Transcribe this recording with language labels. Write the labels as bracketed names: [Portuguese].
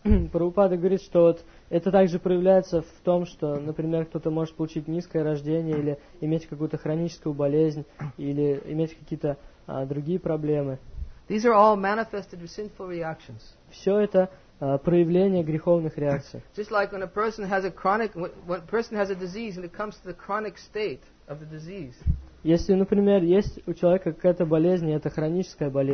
[Russian] Прабхупада говорит, что вот это также проявляется в том, что, например, кто-то может получить низкое рождение или иметь какую-то хроническую болезнь или иметь какие-то другие проблемы. [English] These are all manifested with sinful reactions. [Russian] Все это проявление греховных реакций. [English] Just like when a person has a chronic, when a person has a disease and it comes to the chronic state of the disease. [Russian] Если, например, есть у человека какая-то болезнь, и это хроническая